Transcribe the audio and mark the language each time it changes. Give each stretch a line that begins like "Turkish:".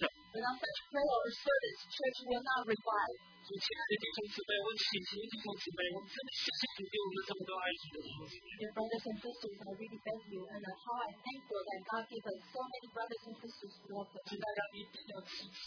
English: without such prayer or service, church will not revive.
Chinese: 亲爱的弟兄姊妹，我们请弟兄姊妹，我们真的谢谢你给我们这么多爱心的东西。Dear
English: brothers and sisters, I really thank you, and how I thankful that God gave us so many brothers and sisters to love us.